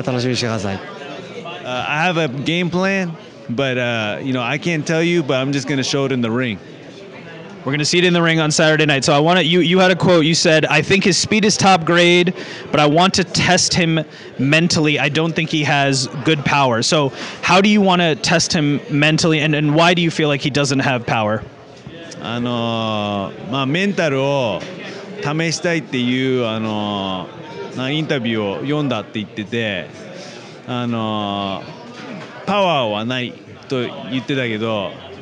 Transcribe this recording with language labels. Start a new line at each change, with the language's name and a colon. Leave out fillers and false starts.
Japanese: 難しいと思うけど、ゲームプランはあるか。どうやって攻める？ゲームプランあります。でも、今は言えないですけど、試合では楽しみにしてください。I
English: have a game plan, but I can't tell you, but I'm just going to show it in the ring. We're going to see it in the ring on Saturday night. So I want to you had a quote. You said, "I think his speed is top grade, but I want to test him mentally. I don't think he has good power." So, how do you want to test him mentally, and why do you feel like he doesn't have power?
Japanese: インタビューを読んだって言ってて、パワーはないと言ってたけど。